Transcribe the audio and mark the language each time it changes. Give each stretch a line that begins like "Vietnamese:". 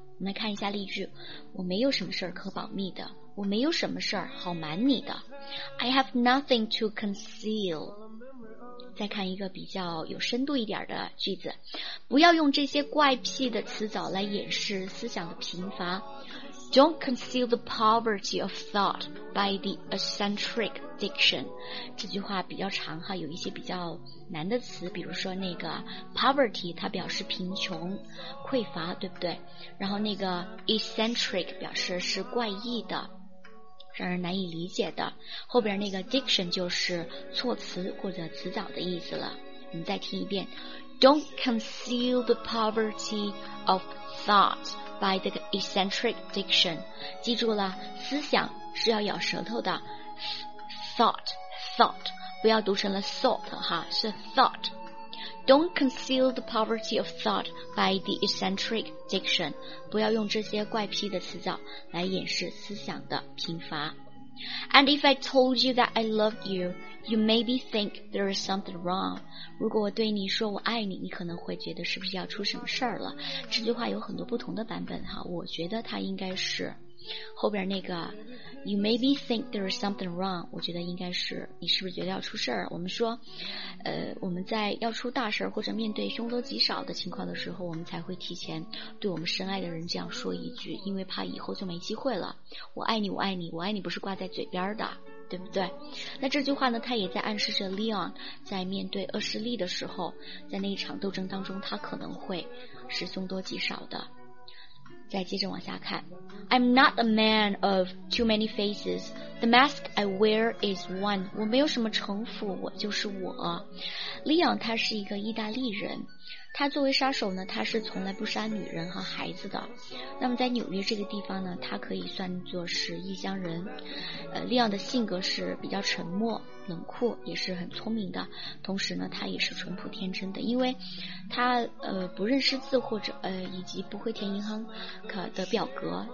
Chinese: 我们来看一下例句，我没有什么事儿可保密的，我没有什么事儿好瞒你的。
English: I have nothing to conceal。
Chinese: 再看一个比较有深度一点的句子，不要用这些怪癖的词藻来掩饰思想的贫乏。
English: Don't conceal the poverty of thought by the eccentric diction。
Chinese: 这句话比较长哈，有一些比较难的词，比如说那个 poverty 它表示贫穷匮乏，对不对？然后那个 eccentric 表示是怪异的，让人难以理解的，后边那个 diction 就是措辞或者词藻的意思了。我们再听一遍，
English: Don't conceal the poverty of thought by the eccentric diction。
Chinese: 记住了，思想是要咬舌头的， thought 不要读成了 salt 哈，是 thought。
English: Don't conceal the poverty of thought by the eccentric diction，
Chinese: 不要用这些怪癖的词藻来掩饰思想的贫乏。
English: And if I told you that I love you, you maybe think there is something wrong。
Chinese: 如果我对你说我爱你，你可能会觉得是不是要出什么事儿了。这句话有很多不同的版本哈，我觉得它应该是后边那个
English: You maybe think there is something wrong，
Chinese: 我觉得应该是你是不是觉得要出事儿。我们说我们在要出大事儿或者面对凶多吉少的情况的时候，我们才会提前对我们深爱的人这样说一句，因为怕以后就没机会了。我爱你我爱你我爱你不是挂在嘴边的，对不对？那这句话呢，他也在暗示着 Leon 在面对恶势力的时候，在那一场斗争当中，他可能会是凶多吉少的。再接着往下看，
English: I'm not a man of too many faces, the mask I wear is one。
Chinese: 我没有什么城府，我就是我。Leon 他是一个意大利人，他作为杀手呢，他是从来不杀女人和孩子的。那么在纽约这个地方呢，他可以算作是异乡人。 Leon 的性格是比较沉默冷酷，也是很聪明的，同时呢他也是淳朴天真的，因为他不认识字，或者以及不会填银行卡的表格。